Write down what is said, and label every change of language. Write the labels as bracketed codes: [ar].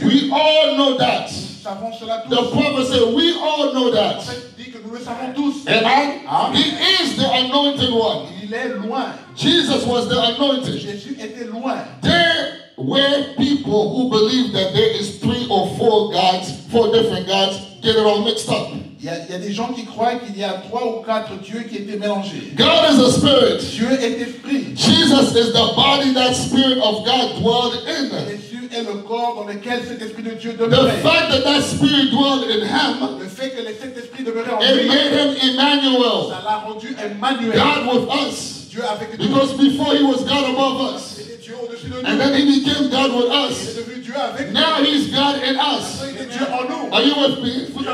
[en] We all know that. The prophet said, we all know that. Amen. He is the anointed one. Jesus was the anointed. There were people who believed that there is three or four gods, four different gods, get it all mixed up. [fr] Il y a des gens qui croient qu'il y a trois ou quatre dieux qui étaient mélangés. [en] God is a spirit. [fr] Dieu est esprit. [en] Jesus is the body that spirit of God dwelled in. [fr] Jésus est le corps dans lequel cet esprit de Dieu demeurait. [en] The fact that that spirit dwelled in him. [fr] Le fait que cet esprit demeurait en [en] lui. It made him Emmanuel. [fr] Ça l'a rendu Emmanuel. [en] God with us. [fr] Dieu avec nous. [en] Because before he was God above us. And then he became God with us. Now he is God in us. Are you with me?